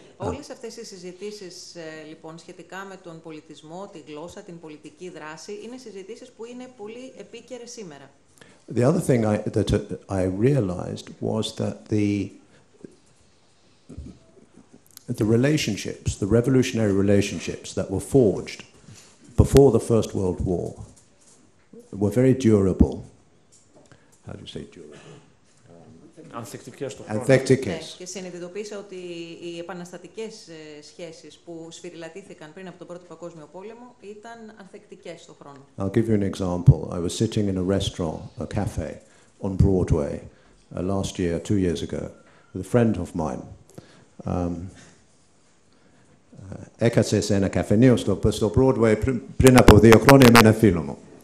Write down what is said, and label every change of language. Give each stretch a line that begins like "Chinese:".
Greek: Όλες αυτές οι συζητήσεις, λοιπόν, σχετικά με τον πολιτισμό, τη γλώσσα, την πολιτική δράση, είναι συζητήσεις που είναι πολύ επίκαιρες σήμερα.
English: The other thing I realized was that the relationships, the revolutionary relationships that were forged before the First World War were very durable. How do you say durable?
Greek: Ανθεκτικές. Και συνειδητοποίησα ότι οι επαναστατικές σχέσεις που σφυριλατήθηκαν πριν από τον Πρώτο Παγκόσμιο Πόλεμο ήταν ανθεκτικές στον χρόνο.
English: I'll give you an example. I was sitting in a restaurant, a cafe, on Broadway last year, 2 years ago, with a friend of mine.
Greek: Έκασε σε ένα καφέ νέο στο Broadway πριν από 2 χρόνια με ένα φίλο μου.